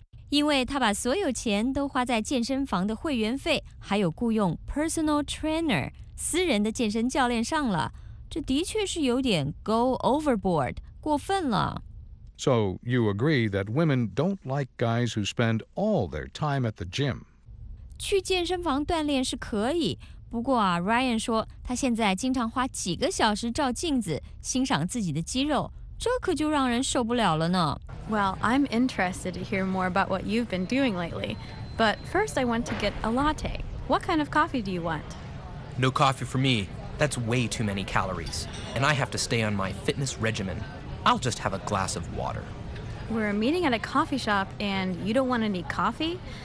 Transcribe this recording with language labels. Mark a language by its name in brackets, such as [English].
[Chinese] 因为他把所有钱都花在健身房的会员费还有雇佣 [English] personal trainer, [Chinese] 私人的健身教练上了。这的确是有点 [English] go overboard, [Chinese] 过分了。 [English] So you agree that women don't like guys who spend all their time at the gym. [Chinese] 去健身房锻炼是可以，不过啊 ，Ryan 说他现在经常花几个小时照镜子欣赏自己的肌肉，这可就让人受不了了呢。 [English] Well, I'm interested to hear more about what you've been doing lately, but first I want to get a latte. What kind of coffee do you want? No coffee for me. That's way too many calories, and I have to stay on my fitness regimen. I'll just have a glass of water. We're meeting at a coffee shop, and you don't want any coffee?